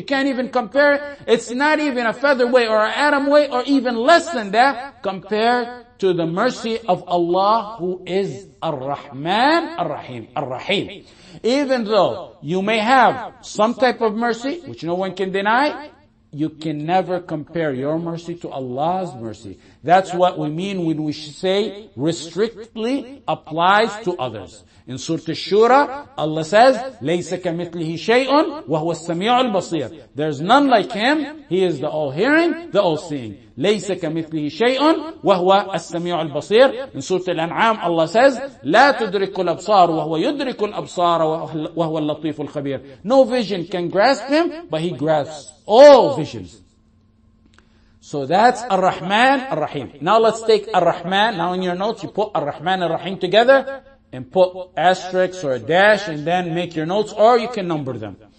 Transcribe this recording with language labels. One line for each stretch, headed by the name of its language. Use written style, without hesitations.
English: You can't even compare. It's not even a feather way or an atom way, or even less than that, compared to the mercy of Allah, who is Ar-Rahman, Ar-Rahim, Ar-Rahim. Even though you may have some type of mercy, which no one can deny, You can never compare your mercy to Allah's mercy. That's what we mean when we say restrictly applies to others. In Surah Ash-Shura, Allah says,
Arabic: لَيْسَ كَمِثْلِهِ شَيْءٌ وَهُوَ السَّمِيعُ الْبَصِيرُ.
English: There's none like him. He is the all-hearing, the all-seeing.
Arabic: لَيْسَ كَمِثْلِهِ شَيْءٌ وَهُوَ السَّمِيعُ الْبَصِيرُ.
English: In Surah Al-An'am, Allah says,
Arabic: لَا تُدْرِكُ الْأَبْصَارُ وَهُوَ يُدْرِكُ الْأَبْصَارَ وَهُوَ اللَّطِيفُ الْخَبِيرُ.
English: No vision can grasp him, but he grasps all visions. So that's Ar-Rahman, Ar-Rahim. Now let's take Ar-Rahman. Now in your notes, you put Ar-Rahman and Ar-Rahim together and put asterisks or a dash and then make your notes, or you can number them.